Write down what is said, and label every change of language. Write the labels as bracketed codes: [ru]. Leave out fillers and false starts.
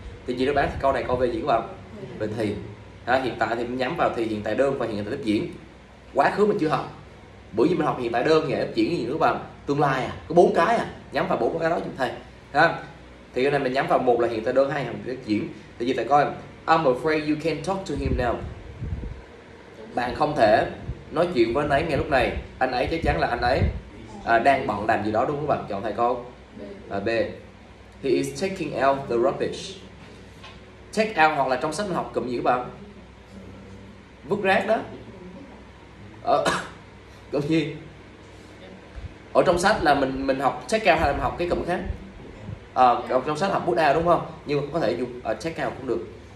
[vi] Thì ghi đáp án thì câu này câu về gì các bạn? Về thì. À, hiện tại thì mình nhắm vào thì hiện tại đơn và hiện tại tiếp diễn. Quá khứ mình chưa học. Bởi vì mình học hiện tại đơn thì tiếp diễn gì nữa các bạn? Tương lai à, có bốn cái à, nhắm vào bốn cái đó giúp thầy. Ha. Thì cái này mình nhắm vào một là hiện tại đơn, hai là tiếp diễn. Thì giờ thầy coi, [en] I'm afraid you can't talk to him now. [vi] Bạn không thể nói chuyện với anh ấy ngay lúc này. Anh ấy chắc chắn là anh ấy đang bận làm gì đó đúng không các bạn? Chọn thầy con. B. [en] He is taking out the rubbish. [vi] Take out hoặc là trong sách mình học cụm gì các bạn? Vứt rác đó. Cụm gì? Ở trong sách là mình học take out hay là mình học cái cụm khác? Trong sách học put out đúng không? Nhưng mà có thể dùng take out cũng được.